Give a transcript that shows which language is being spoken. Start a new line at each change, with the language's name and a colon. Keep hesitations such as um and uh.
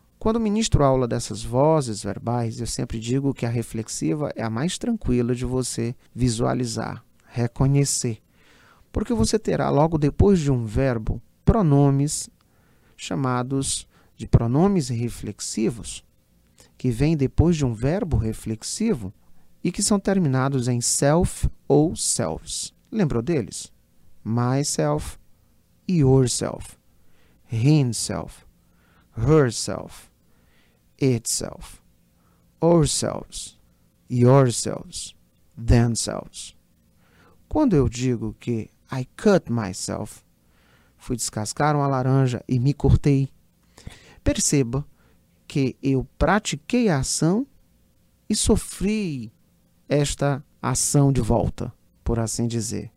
Portuguese: Quando ministro aula dessas vozes verbais, eu sempre digo que a reflexiva é a mais tranquila de você visualizar, reconhecer. Porque você terá logo depois de um verbo pronomes chamados de pronomes reflexivos, que vêm depois de um verbo reflexivo e que são terminados em self ou selves. Lembrou deles?
English: Myself, yourself, himself, herself, itself, ourselves, yourselves, themselves.
Portuguese: Quando eu digo que
English: I cut myself,
Portuguese: fui descascar uma laranja e me cortei, perceba que eu pratiquei a ação e sofri esta ação de volta, por assim dizer.